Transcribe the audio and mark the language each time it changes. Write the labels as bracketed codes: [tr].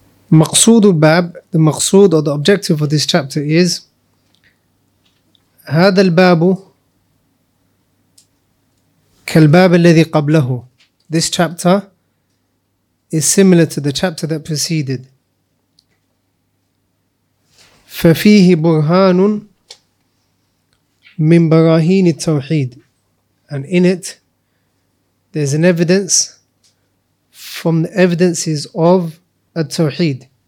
[ar] مقصود الباب, the مقصود or [en] the objective of this chapter is [ar] هذا الباب كالباب الذي قبله. [en] This chapter is similar to the chapter that preceded. [ar] ففيه برهان من براهين التوحيد. [en] And in it, there's an evidence from the evidences of التوحيد.